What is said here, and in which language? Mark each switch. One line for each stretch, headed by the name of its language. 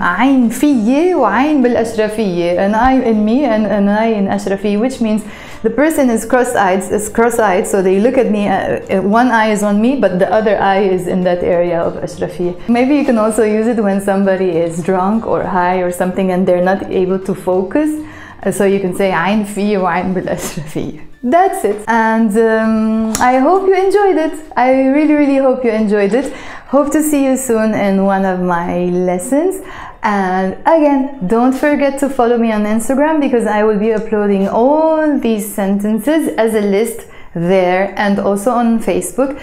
Arabic: عين فيه وعين بالأشرفية,
English: an eye in me and an eye in Ashrafieh, which means the person is cross-eyed, so they look at me, one eye is on me, but the other eye is in that area of Ashrafieh. Maybe you can also use it when somebody is drunk or high or something and they're not able to focus. So you can say
Arabic: عين فيه وعين بالأشرفية.
English: That's it, and I hope you enjoyed it. I really, really hope you enjoyed it. Hope to see you soon in one of my lessons. And again, don't forget to follow me on Instagram, because I will be uploading all these sentences as a list there, and also on Facebook.